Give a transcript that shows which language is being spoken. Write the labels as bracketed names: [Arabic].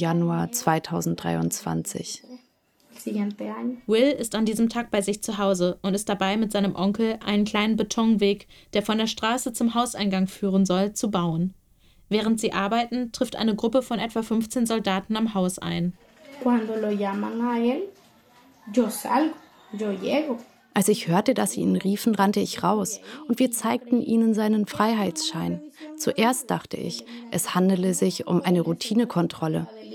[German] Januar 2023. Will ist an diesem Tag bei sich zu Hause und ist dabei, mit seinem Onkel einen kleinen Betonweg, der von der Straße zum Hauseingang führen soll, zu bauen. Während sie arbeiten, trifft eine Gruppe von etwa 15 Soldaten am Haus ein. [Spanish] Cuando lo llaman a él, yo salgo, yo llego. [German] Als ich hörte, dass sie ihn riefen, rannte ich raus und wir zeigten ihnen seinen Freiheitsschein. Zuerst dachte ich, es handele sich um eine Routinekontrolle.